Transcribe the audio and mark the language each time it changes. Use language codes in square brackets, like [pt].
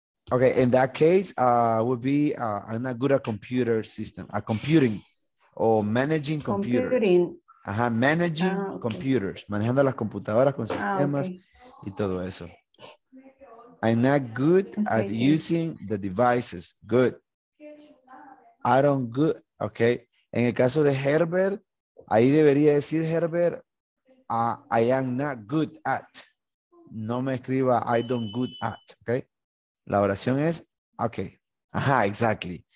[en] Okay, in that case, would be I'm not good at computer system, at computing or managing computers. Computing. Uh-huh, managing okay. [es] Computers, manejando las computadoras con sistemas okay. Y todo eso. [en] I'm not good okay, at using the devices. Good. I don't good. Okay. [es] En el caso de Herbert, ahí debería decir Herbert, [en] I am not good at. [es] No me escriba [en] I don't good at, [es] ¿ok? La oración es, ok. Ajá, exactly.